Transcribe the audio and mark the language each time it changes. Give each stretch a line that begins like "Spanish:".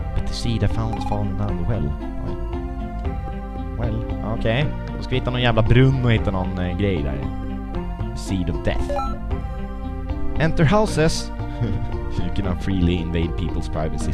English: But the seed I found is fallen out of well. Well, okej.
Swedish: Okay. Då ska vi hitta någon jävla brunn och hitta någon grej där.
English: Seed of death. Enter houses. You cannot freely invade people's privacy.